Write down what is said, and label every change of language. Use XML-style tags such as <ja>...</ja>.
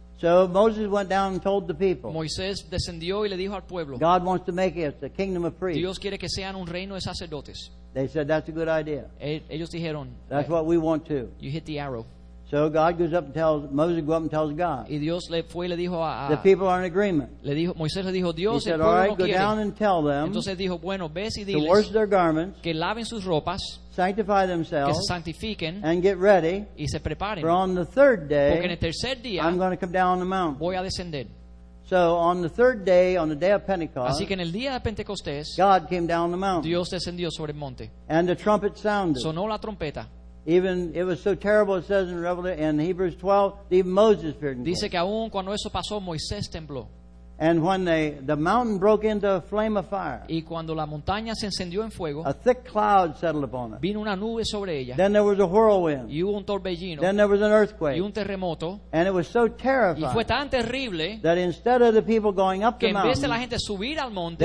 <en>So Moses went down and told the people.</en> <es>Moisés descendió y le dijo al pueblo.</es> <en>God wants to make it a kingdom of priests.</en> <es>Dios quiere que sean un reino de sacerdotes.</es> <en>They said that's a good idea.</en> <es>Ellos dijeron.</es> <en>That's what we want too. You hit the arrow. So God goes up and tells Moses. Go up and tells God.</en> <es>Y Dios le fue y le dijo a</es> <en>the people are in agreement.</en> <es>Le dijo Moisés le dijo Dios.</es> <en>He said, all right, go down and tell them.</en> <es>Entonces dijo bueno ves y diles.</es> <en>To wash their garments.</en> <es>Que laven sus ropas.</es> <en>Sanctify themselves.</en> <es>Que se santifiquen.</es> <en>And get ready.</en> <es>Y se preparen.</es> <en>For on the third day.</en> <es>Porque en el tercer día.</es> <en>I'm going to come down the mountain.</en> <es>Voy a descender.</es> <en>So on the third day, on the day of Pentecost,</en> <es>así que en el día de Pentecostés,</es> <en>God came down the mountain.</en> <es>Dios descendió sobre el monte.</es> <en>And the trumpet sounded.</en> <es>Sonó la trompeta.</es> <en>Even it was so terrible, it says in Hebrews 12, even Moses feared.</en> <es>Dice que aun cuando eso pasó, Moisés tembló.</es> <en>And when the mountain broke into a flame of fire,</en> <es>y cuando la montaña se encendió en fuego,</es> <en>a thick cloud settled upon it.</en> <es>Vino una nube sobre ella.</es> <en>Then there was a whirlwind.</en> <es>Y hubo un torbellino.</es> <en>Then there was an earthquake.</en> <es>Y un terremoto.</es> <en>And it was so terrifying.</en> <es>Y fue tan terrible</es> <en>that instead of the people going up</en> <es>que</es> <en>the mountain,</en> <es>en vez de la gente subir al monte,</es>